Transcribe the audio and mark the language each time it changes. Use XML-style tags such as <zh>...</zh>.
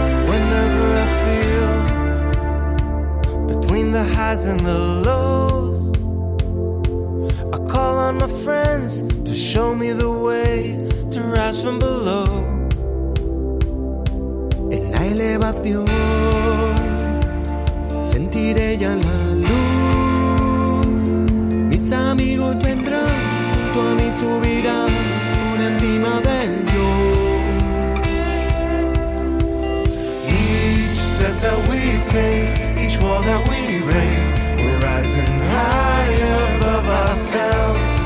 <en>Whenever I feel between the highs and the lows, I call on my friends to show me the way to rise from below.</en> <es>En la elevación sentiré ya la luz, mis amigos vendrán, tú a mí subirás por encima del yo.</es> <en>Each step that we take, each wall that we break, we're rising high above ourselves.</en>